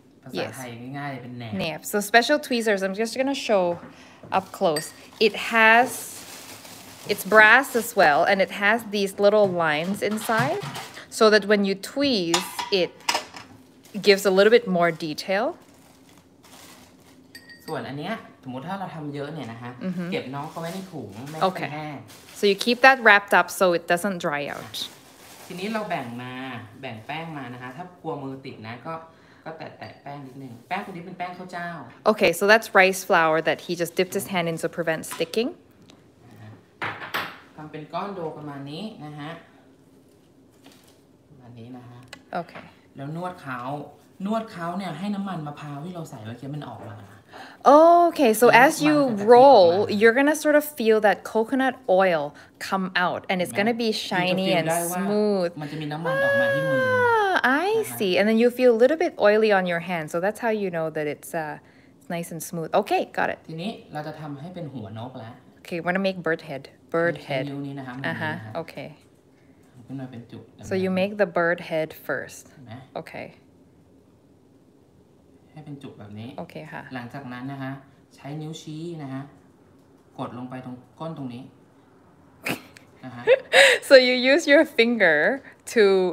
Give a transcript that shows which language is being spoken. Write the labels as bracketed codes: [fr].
[en] Yes. So special tweezers. I'm just gonna show. Up close, it has it's brass as well, and it has these little lines inside, so that when you tweeze, it gives a little bit more detail. [th] ส่วนอันเนี้ยสมมติถ้าเราทำเยอะเนี่ยนะฮะเก็บน้องเขาไว้ในถุงไม่ให้แห้ง [en] Okay. So you keep that wrapped up so it doesn't dry out. [th] ทีนี้เราแบ่งแป้งมานะฮะถ้ากลัวมือติดนะก็แตะแป้งนิดนึงแป้งตัวนี้เป็นแป้งข้าวเจ้า [en] Okay so that's rice flour that he just dipped his hand in to prevent sticking [th] ทำเป็นก้อนโดประมาณนี้นะฮะประมาณนี้นะฮะ [en] Okay [th] แล้วนวดเขาเนี่ยให้น้ำมันมะพร้าวที่เราใส่เมื่อกี้มันออกมา [en] Okay, so as you roll, you're gonna sort of feel that coconut oil come out, and it's gonna be shiny and smooth. I see, and then you feel a little bit oily on your hand, so that's how you know that it's nice and smooth. Okay, got it. Okay, we're gonna make bird head. Okay. So you make the bird head first. Okay. [th] ให้เป็นจุกแบบนี้ [en] okay, ค่ะ [th] หลังจากนั้นนะฮะใช้นิ้วชี้นะฮะกดลงไปตรงก้นตรงนี้นะฮะ [en] so you use your finger to